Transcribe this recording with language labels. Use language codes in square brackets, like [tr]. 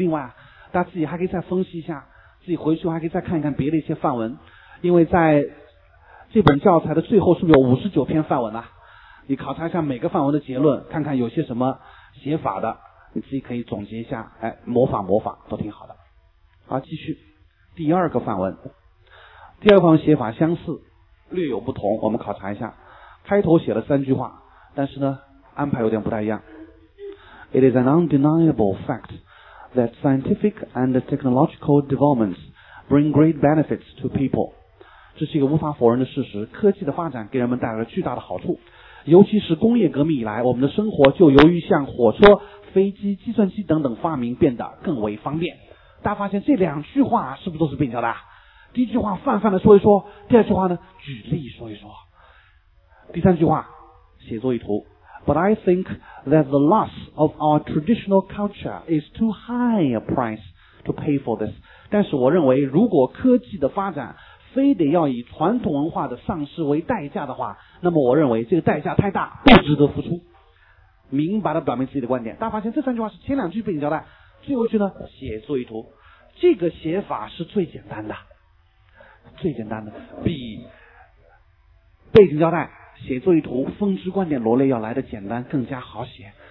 [zh] 另外大家自己还可以再分析一下，自己回去还可以再看一看别的一些范文，因为在这本教材的最后是不是有59篇范文啊，你考察一下每个范文的结论，看看有些什么写法的，你自己可以总结一下，哎，模仿模仿都挺好的。好，继续第二个范文。第二个范文写法相似，略有不同，我们考察一下。开头写了三句话，但是呢安排有点不太一样。 [en] It is an undeniable fact that scientific and technological developments bring great benefits to people. [zh] 这是一个无法否认的事实，科技的发展给人们带来了巨大的好处，尤其是工业革命以来，我们的生活就由于像火车、飞机、计算机等等发明变得更为方便。大家发现这两句话是不是都是并行的？第一句话泛泛的说一说，第二句话呢举例说一说，第三句话写作一图。 [en] But I think that the loss of our traditional culture is too high a price to pay for this. [zh] 但是我认为如果科技的发展非得要以传统文化的丧失为代价的话，那么我认为这个代价太大，不值得付出。明白的表明自己的观点。大家发现这三句话是前两句背景交代，最后一句呢写作一图。这个写法是最简单的，最简单的，比背景交代写作一图分支观点罗列要来的简单，更加好写。